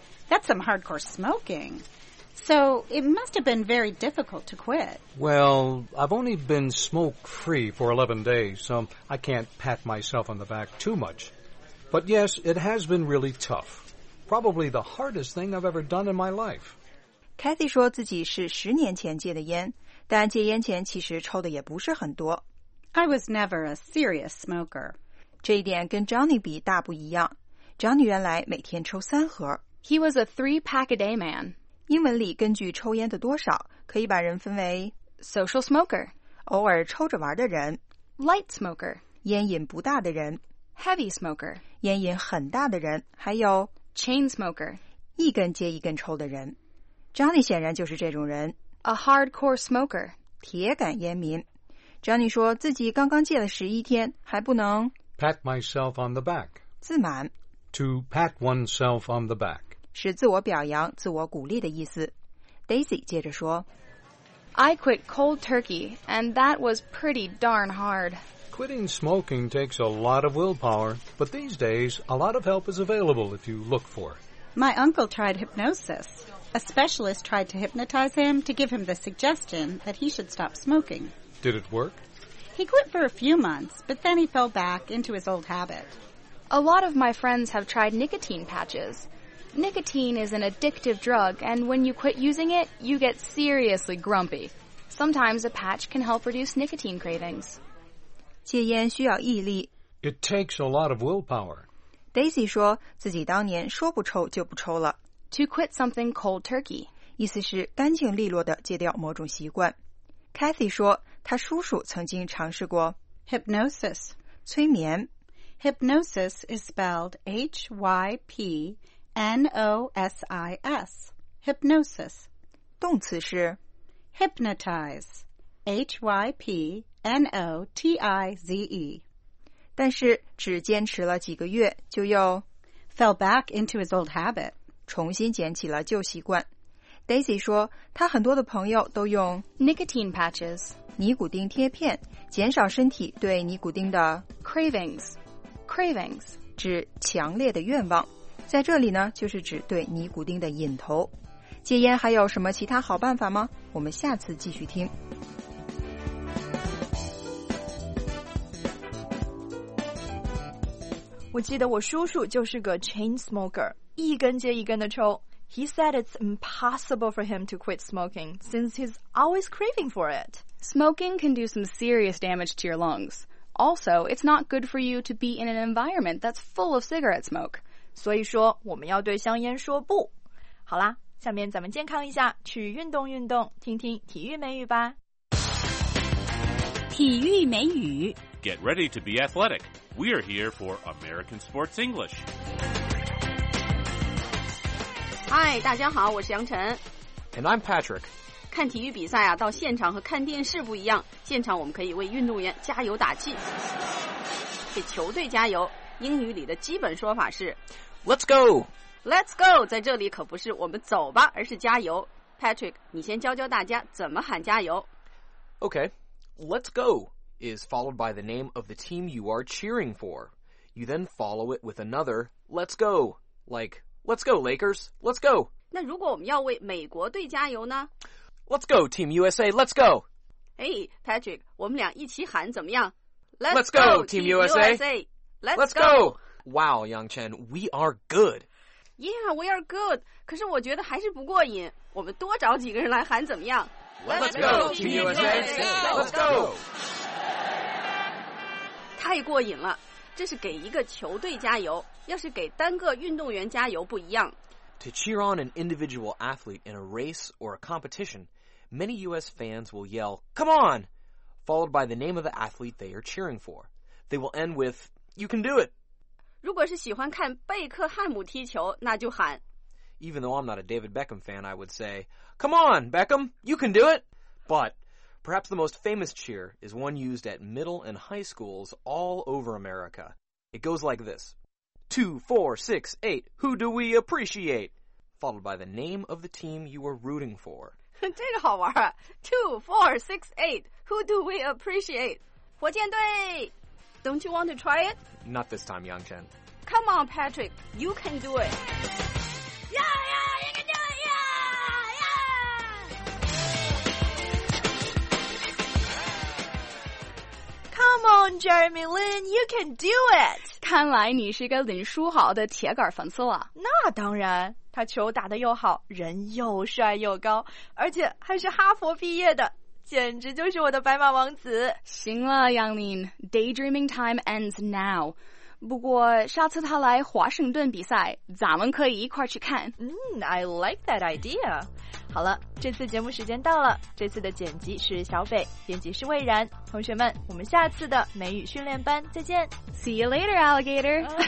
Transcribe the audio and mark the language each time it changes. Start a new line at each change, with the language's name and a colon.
English: That's some hardcore smoking. So, it must have been very difficult to quit. Well, I've only been smoke-free for 11 days, so I can't pat myself on the back too much. But yes, it has been really tough. probably the hardest thing I've ever done in my life.
Chinese: Kathy 说自己是十年前戒的烟，但戒烟前其实抽的也不是很多。
English: I was never a serious smoker.
Chinese: 这一点跟 Johnny 比大不一样。Johnny 原来每天抽三盒。
English: He was a three-pack-a-day man.
Chinese: 英文里根据抽烟的多少，可以把人分为
English: social smoker,
Chinese: 偶尔抽着玩的人
English: ,light smoker,
Chinese: 烟瘾不大的人
English: ,heavy smoker,
Chinese: 烟瘾很大的人，还有
English: chain smoker,
Chinese: 一根接一根抽的人。 Johnny 显然就是这种人
English: ,a hardcore smoker,
Chinese: 铁杆烟民。 Johnny 说自己刚刚戒了十一天还不能
English: pat myself on the back,
Chinese: 自满。
English: To pat oneself on the back.
Chinese: 是自我表扬、自我鼓励的意思。 Daisy 接着说
English: I quit cold turkey, and that was pretty darn hard. Quitting smoking takes a lot of willpower, but these days, a lot of help is available if you look for it. My uncle tried hypnosis. A specialist tried to hypnotize him to give him the suggestion that he should stop smoking. Did it work? He quit for a few months, but then he fell back into his old habit. A lot of my friends have tried nicotine patches. Nicotine is an addictive drug, and when you quit using it, you get seriously grumpy. Sometimes a patch can help reduce nicotine cravings.
Chinese: 戒烟需要毅力。
English: It takes a lot of willpower.
Chinese: Daisy 说自己当年说不抽就不抽了。
English: To quit something cold turkey.
Chinese: 意思是干净利落地戒掉某种习惯。Kathy 说她叔叔曾经尝试过
English: hypnosis.
Chinese: 催眠。
English: Hypnosis is spelled H-Y-P-N-O-S-I-S. Hypnosis.
Chinese: 动词是
English: Hypnotize. H-Y-P-N-O-T-I-Z-E.
Chinese: 但是只坚持了几个月就又
English: Fell back into his old habit.
Chinese: 重新捡起了旧习惯。 Daisy 说他很多的朋友都用
English: Nicotine patches.
Chinese: 尼古丁贴片减少身体对尼古丁的
English: Cravings. Cravings
Chinese: 指强烈的愿望，在这里呢，就是指对尼古丁的瘾头。戒烟还有什么其他好办法吗？我们下次继续听。我记得我叔叔就是个 chain smoker， 一根接一根的抽。
English: He said it's impossible for him to quit smoking since he's always craving for it. Smoking can do some serious damage to your lungs. Also, it's not good for you to be in an environment that's full of cigarette smoke.
Chinese: 所以说，我们要对香烟说不。好啦，下面咱们健康一下，去运动运动，听听体育美语吧。体育美语。
English: Get ready to be athletic. We are here for American Sports English.
Chinese: Hi, 大家好，我是杨晨。
English: And I'm Patrick.
Chinese: 看体育比赛啊，到现场和看电视不一样。现场我们可以为运动员加油打气，给球队加油。英语里的基本说法是
English: Let's go! Let's go!
Chinese: 在这里可不是我们走吧，而是加油。Patrick, 你先教教大家怎么喊加油。
English: Okay, let's go is followed by the name of the team you are cheering for. You then follow it with another let's go, like, let's go Lakers, let's go!
Chinese: 那如果我们要为美国队加油呢？
English: Let's go, Team USA, let's go!
Chinese: Hey, Patrick, 我们俩一起喊怎么样?
English: Let's go, Team USA! Let's go! Wow, Yangchen, we are good! Yeah, we are good!
Chinese: 可是我觉得还是不过瘾,我们多找几个人来喊怎么样?
English: Let's go, Team USA! Let's go!
Chinese: 太过瘾了,这是给一个球队加油,要是给单个运动员加油不一样。
English: To cheer on an individual athlete in a race or a competition, many U.S. fans will yell, Come on! Followed by the name of the athlete they are cheering for. They will end with, You can do it!
Chinese: 如果是喜欢看贝克汉姆踢球，那就喊。
English: Even though I'm not a David Beckham fan, I would say, Come on, Beckham! You can do it! But, perhaps the most famous cheer is one used at middle and high schools all over America. It goes like this. Two, four, six, eight, who do we appreciate? Followed by the name of the team you are rooting for.
Chinese: 这个好玩啊。
English: Two, four, six, eight, who do we appreciate? 火箭队 Don't you want to try it? Not this time, Yangchen. Come on, Patrick, you can do it. Yeah, yeah, you can do it, yeah, yeah! Come on! on, Jeremy Lin, you can do it!
Chinese: 看来你是一个林书豪的铁杆粉丝了。那当然，他球打得又好，人又帅又高，而且还是哈佛毕业的，简直就是我的白马王子。行了，
English: 杨林 ,daydreaming time ends now.
Chinese: 不过下次他来华盛顿比赛，咱们可以一块去看。
English: I like that idea.
Chinese: 好了，这次节目时间到了，这次的剪辑是小北，编辑是蔚然。同学们，我们下次的美语训练班再见。
English: See you later, alligator.